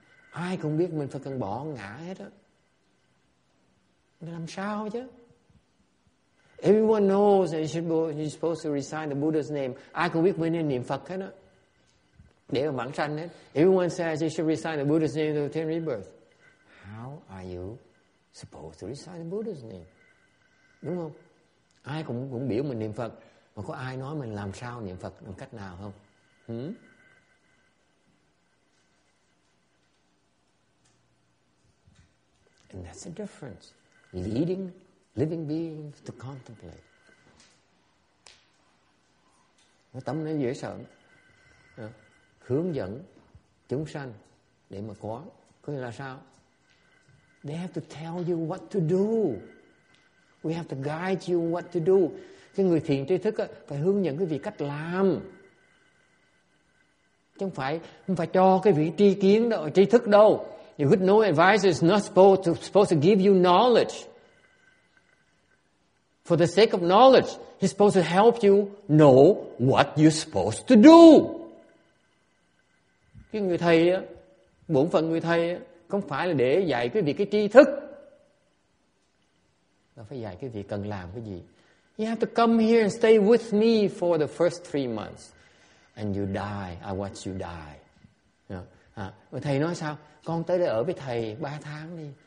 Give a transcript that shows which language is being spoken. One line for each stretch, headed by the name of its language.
Vietnamese: Ai cũng biết mình phải cần bỏ ngã hết á. Làm sao chứ?
English: Everyone knows that you're supposed to recite the Buddha's name.
Vietnamese: Ai cũng biết mình nên niệm Phật hết á. Để mà vãng sanh hết.
English: Everyone says you should recite the Buddha's name to obtain rebirth. How are you supposed to recite the Buddha's name?
Vietnamese: Đúng không? Ai cũng biểu mình niệm Phật. Mà có ai nói mình làm sao niệm Phật, làm cách nào không?
English: And that's the difference. Leading living beings to contemplate.
Vietnamese: Nó tâm nó dễ sợ. Hướng dẫn chúng sanh để mà có nghĩa là sao?
English: They have to tell you what to do. We have to guide you what to do.
Vietnamese: Cái người thiền tri thức á, phải hướng dẫn cái vị cách làm. Chứ không phải cho cái vị tri kiến đâu, tri thức đâu.
English: You could know advice is not supposed to give you knowledge. For the sake of knowledge, he's supposed to help you know what you're supposed to do.
Vietnamese: Cái người thầy á, bổn phận người thầy á, không phải là để dạy cái việc cái tri thức. Nó phải dạy cái việc cần làm cái gì.
English: You have to come here and stay with me for the first 3 months. And you die. I watch you die.
Vietnamese: Và thầy nói sao? Con tới đây ở với thầy 3 tháng đi.